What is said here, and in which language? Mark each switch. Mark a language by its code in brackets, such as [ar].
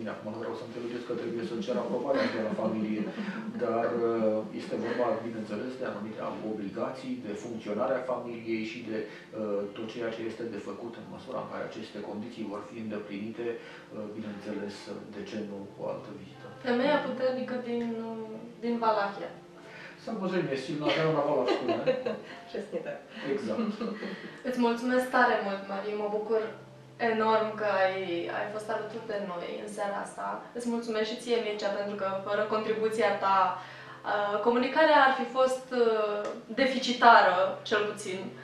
[ro] Bine, acum nu vreau să înțelegeți că trebuie să cer aprobarea de la familie, dar este vorba, bineînțeles, de anumite obligații, de funcționarea familiei și de tot ceea ce este de făcut în măsura în care aceste condiții vor fi îndeplinite, bineînțeles, de ce nu o altă vizită. Femeia puternică din Valahia. [cs] Samozřejmě, s tím nádherou na Valašku, ne? Přesně tak. [ro] Exact. Îți mulțumesc tare mult, Marie. Mă bucur enorm că ai fost alături de noi în seara asta. Îți mulțumesc și ție, Mircea, pentru că fără contribuția ta, comunicarea ar fi fost deficitară, cel puțin.